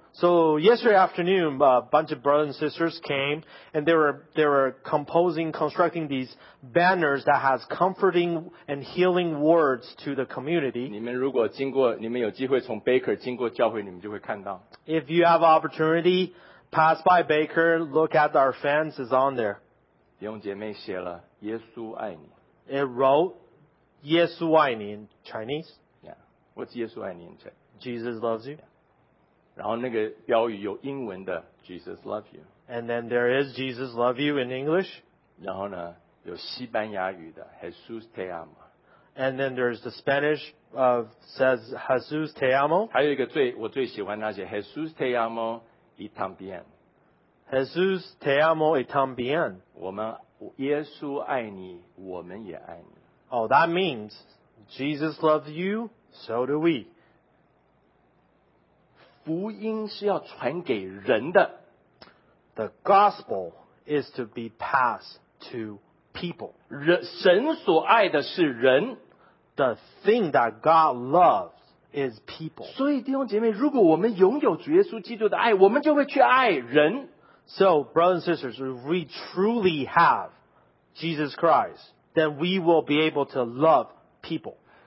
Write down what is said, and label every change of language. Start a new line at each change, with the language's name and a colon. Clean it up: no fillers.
English: So yesterday afternoon, a bunch of brothers and sisters came, and they were constructing these banners that has comforting and healing words to the community.
Chinese: 你们如果经过，你们有机会从Baker经过教会，你们就会看到。
English: If you have opportunity, pass by Baker, look at our fans, is on there.
Chinese: 弟兄姐妹写了耶稣爱你。
English: It wrote
Chinese: 耶稣爱你
English: in Chinese. Yeah. What's
Chinese: 耶稣爱你
English: in Chinese? Jesus loves you. Yeah.
Chinese: 然后那个标语有英文的
English: Jesus love you. And then there is Jesus love you in English.
Chinese: 然后呢有西班牙语的
Spanish: Jesus te amo.
English: And then there's the Spanish of says
Spanish: Jesus te amo.
Chinese: 还有一个最我最喜欢那些
Spanish: Jesus te amo y también. Jesus te amo y también.
Chinese: 我们耶稣爱你，我们也爱你。
English: Oh, that means Jesus loves you, so do we.
Chinese: 福音是要传给人的。
English: The gospel is to be passed to people.
Chinese: 神所爱的是人。
English: The thing that God loves is people.
Chinese: 所以弟兄姐妹，如果我们拥有主耶稣基督的爱，我们就会去爱人。
English: So, brothers and sisters, if we truly have Jesus Christ, then we will be able to love people.